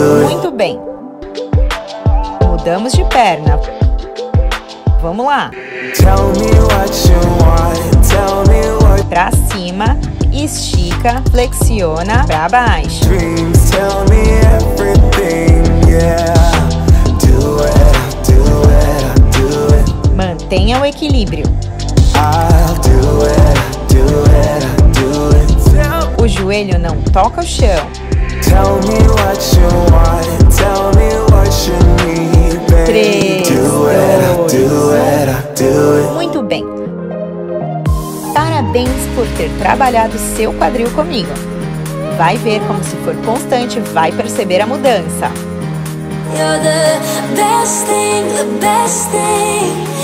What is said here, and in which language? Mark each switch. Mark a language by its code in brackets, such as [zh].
[pt] Muito bem. Mudamos de perna. Vamos lá. [en] Tell me what you want, tell me what. [pt] Pra cima, estica, flexiona, pra baixo. [en] Dreams, tell me everything, yeah. Do it, do it, do it. [pt] Mantenha o equilíbrio. [en] I'll do it, do it, do it. [pt] O joelho não toca o chão. [en] Tell me what you want, tell me what you need, baby. [pt] 3, 2, 1. Muito bem. Parabéns por ter trabalhado seu quadril comigo. Vai ver como, se for constante, vai perceber a mudança. [en] You're the best thing, the best thing.